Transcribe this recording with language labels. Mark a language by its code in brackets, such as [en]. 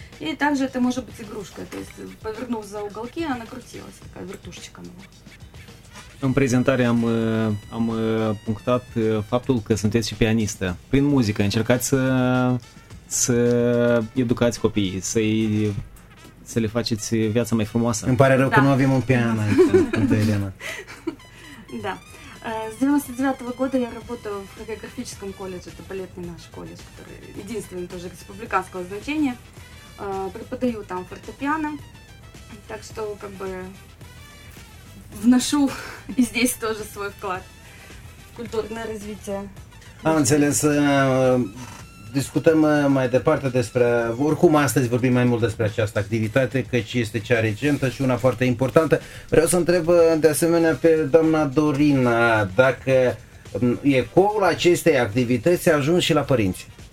[ru] И также это может быть игрушка, то есть повернув за уголки, она крутилась, такая вертушечка была. [ro] În prezentare am punctat faptul că sunteți și pianistă. Prin muzică încercați să, să educați copiii, să le faceți viața mai frumoasă. Îmi pare rău că nu avem un pian aici, Elena. Da. [ru] С 99 года я работаю в хореографическом колледже, это балетный наш колледж, который единственный тоже республиканского значения. Преподаю там фортепиано, так что как бы вношу и здесь тоже свой вклад в культурное развитие. [ro] Am înțeles, discutăm mai departe despre, oricum astăzi vorbim mai mult despre această activitate, căci este cea recentă și una foarte importantă. Vreau să întreb de asemenea pe doamna Dorina, dacă ecoul acestei activități a ajuns și la părinți.